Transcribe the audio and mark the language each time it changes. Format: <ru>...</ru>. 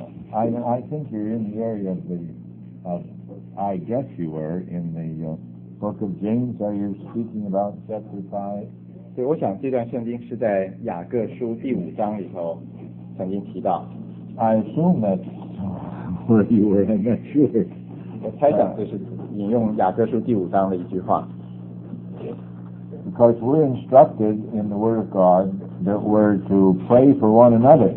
<en>I think you're in the area of I guess you were in the book of James. Are you speaking about chapter 5?</en> <zh>对，我想这段圣经是在雅各书第五章里头曾经提到。</zh> <en>I assume that where you were, I'm not sure.</en> <zh>我猜想这是引用雅各书第五章的一句话。</zh> <en>Because we're instructed in the Word of God that we're to pray for one another.</en>